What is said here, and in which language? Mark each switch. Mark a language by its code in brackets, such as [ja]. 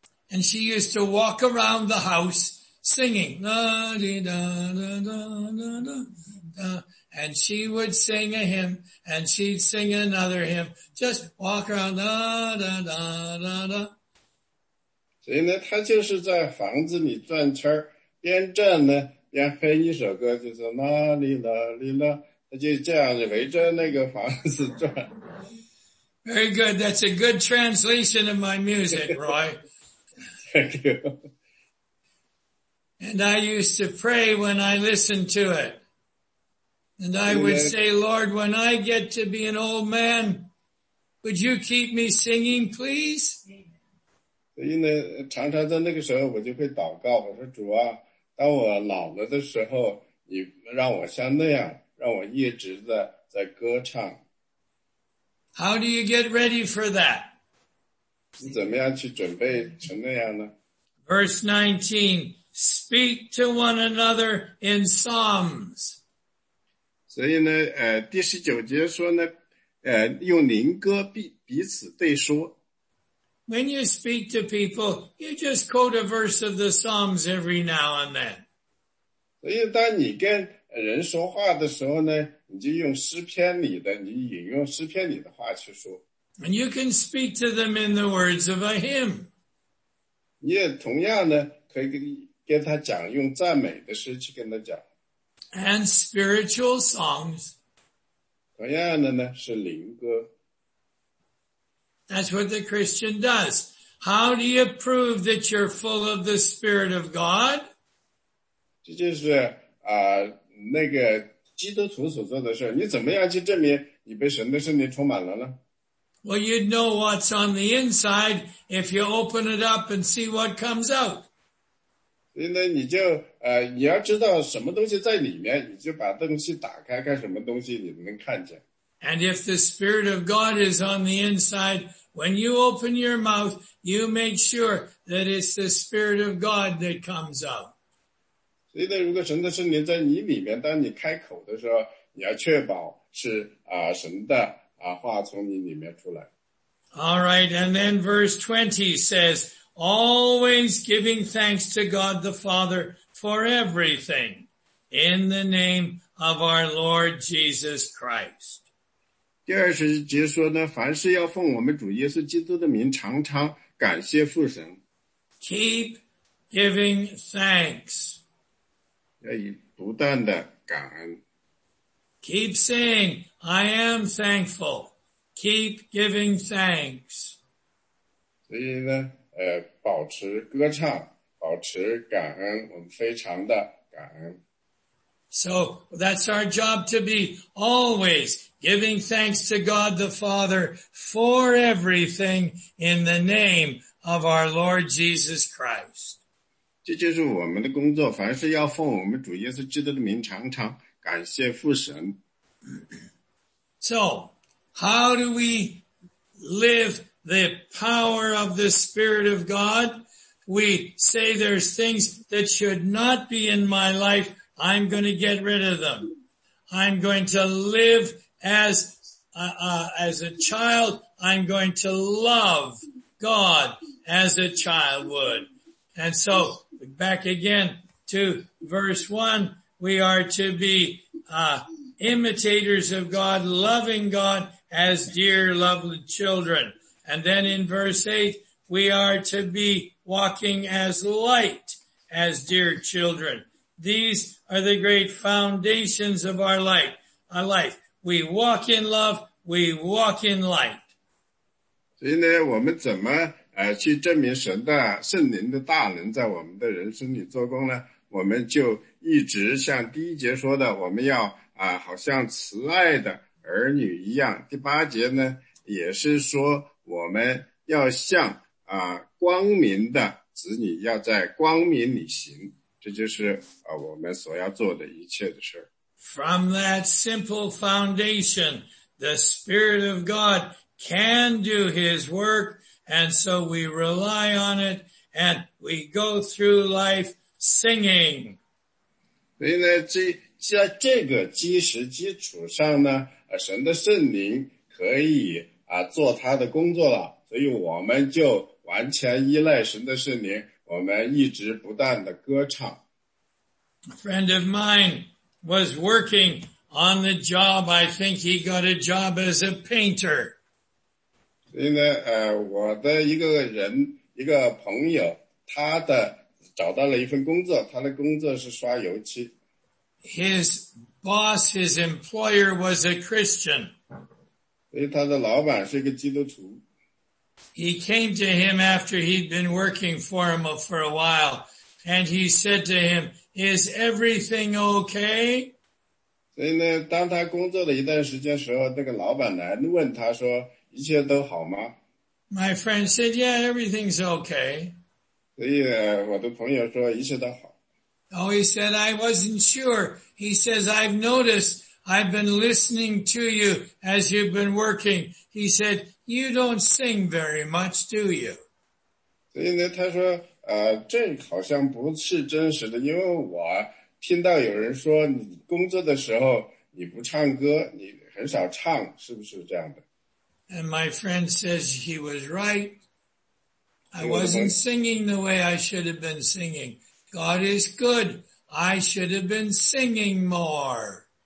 [en] And she used to walk around the house singing, la di da da da da da da, and she would sing a hymn, and she'd sing another hymn, just walk around, la da da da da. [zh] 所以呢，他就是在房子里转圈，边转呢边哼一首歌，就是啦哩啦哩啦，他就这样子围着那个房子转。 [en] Very good. That's a good translation of my music, Roy. Thank you. And I used to pray when I listened to it. And I would say, Lord, when I get to be an old man, would you keep me singing, please? [zh] 所以呢，常常在那个时候我就会祷告，我说主啊，当我老了的时候，你让我像那样，让我一直在歌唱。 [en] How do you get ready for that? [zh] 你怎么样去准备成那样呢？ [en] Verse 19, speak to one another in psalms. [zh] 所以呢，第十九节说呢，用灵歌彼此对说。 [en] When you speak to people, you just quote a verse of the Psalms every now and then. [zh] 所以当你跟人说话的时候呢，你就用诗篇里的，你引用诗篇里的话去说。 [en] And you can speak to them in the words of a hymn. [zh] 你也同样呢，可以跟他讲，用赞美的诗去跟他讲。 [en] And spiritual songs. [zh] 同样的呢，是灵歌。 [en] That's what the Christian does. How do you prove that you're full of the Spirit of God? [zh] 这就是那个基督徒所做的事，你怎么样去证明你被神的圣灵充满了呢？ [en] Well, you'd know what's on the inside if you open it up and see what comes out. [zh] 所以呢，你就你要知道什么东西在里面，你就把东西打开，看什么东西你能看见。 [en] And if the Spirit of God is on the inside, when you open your mouth, you make sure that it's the Spirit of God that comes out. [zh] 所以呢，如果神的圣灵在你里面，当你开口的时候，你要确保是神的话从你里面出来。 [en] All right, and then verse 20 says, always giving thanks to God the Father for everything in the name of our Lord Jesus Christ. [zh] 第二十节说呢，凡事要奉我们主耶稣基督的名，常常感谢父神。 [en] Keep giving thanks. [zh] 要以不断的感恩。 [en] Keep saying, I am thankful. Keep giving thanks. [zh] 所以呢，保持歌唱，保持感恩，我们非常的感恩。 [en] So that's our job to be always giving thanks to God the Father for everything in the name of our Lord Jesus Christ. [zh] 这就是我们的工作，凡是要奉我们主耶稣基督的名，常常感谢父神。 [en] So how do we live the power of the Spirit of God? We say there's things that should not be in my life. I'm going to get rid of them. I'm going to live as a child. I'm going to love God as a child would. And so back again to verse 1, we are to be imitators of God, loving God as dear, lovely children. And then in verse 8, we are to be walking as light as dear children. These are the great foundations of our life. We walk in love, we walk in light. [zh] 所以呢，我们怎么去证明神的圣灵的大能在我们的人生里做工呢？我们就一直像第一节说的，我们要好像慈爱的儿女一样。第八节呢，也是说我们要像光明的子女，要在光明里行。这就是我们所要做的一切的事。 [en] From that simple foundation, the Spirit of God can do His work, and so we rely on it, and we go through life singing. [zh] 所以呢，在这个基石基础上呢，神的圣灵可以做他的工作了，所以我们就完全依赖神的圣灵，我们一直不断的歌唱。 [en] A friend of mine was working on the job. I think he got a job as a painter. [zh] 所以呢，我的一个人一个朋友，他的找到了一份工作，他的工作是刷油漆。 [en] His boss, his employer was a Christian. [zh] 所以他的老板是一个基督徒。 [en] He came to him after he'd been working for him for a while, and he said to him, "Is everything okay?" [zh] 所以呢，当他工作了一段时间时候，那个老板来问他说，一切都好吗？ [en] My friend said, "Yeah, everything's okay." [zh] 所以我的朋友说，一切都好。 [en] Oh, he said, "I wasn't sure." He says, "I've noticed. I've been listening to you as you've been working." He said, "You don't sing very much, do you?" [zh] 所以呢，他说，这好像不是真实的，因为我听到有人说你工作的时候你不唱歌，你很少唱，是不是这样的？ [en] And my friend says he was right. I wasn't singing the way I should have been singing. God is good. I should have been singing more.